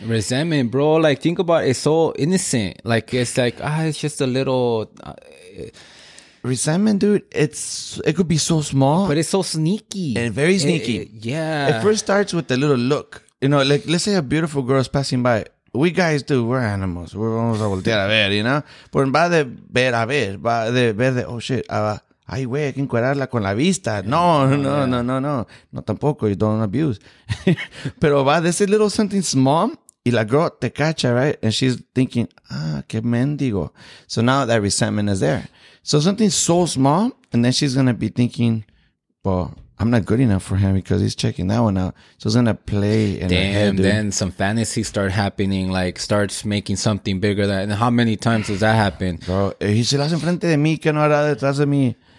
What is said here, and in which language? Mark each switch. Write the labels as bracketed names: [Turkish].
[English] Resentment, bro. Like, think about it. It's so innocent. Like, it's like, it's just a little... Resentment, dude, it could be so small. But it's so sneaky. And very sneaky. Yeah. It first starts with a little look. You know, like, let's say a beautiful girl is passing by. We guys, do. We're animals. [Spanish] We're vamos a voltear a ver, you know? Por en vez de ver a ver, va de ver de, oh, shit. Ay, güey, hay que encuadrarla con la vista. [English] No. [Spanish] No, tampoco. [English] You don't abuse. [Spanish] Pero va, [English] this little something small. [Spanish] Y la girl te cacha, right? [English] And she's thinking, [Spanish] qué mendigo. [English] So now that resentment is there. So something so small, and then she's going to be thinking, well, I'm not good enough for him because he's checking that one out. So it's going to play in damn, her head, dude. Then some fantasies start happening, like starts making something bigger than. And how many times does that happen? [Spanish] Bro, si lo hace enfrente de mí, ¿qué no hará detrás de mí?